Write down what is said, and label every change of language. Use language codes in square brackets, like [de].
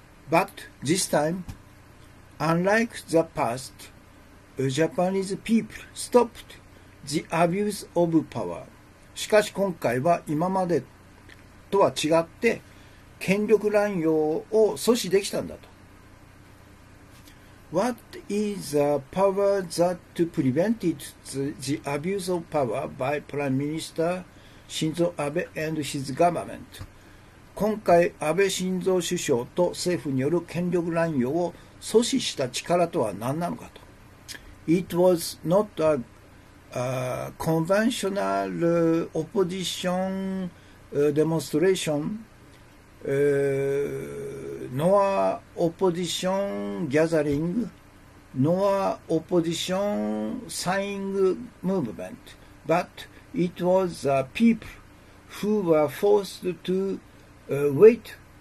[en] But this time, unlike the past, Japanese people stopped the abuse of power. [ja] しかし今回は今までとは違って権力乱用を阻止できたんだと。 [en] What is the power that prevented the abuse of power by Prime Minister Shinzo Abe and his government? [ja] 今回安倍晋三首相と政府による権力乱用を阻止した力とは何なのかと。 [en] It was not a conventional opposition demonstrationNor opposition gathering, nor opposition sighing movement, but it was the people who were forced to wait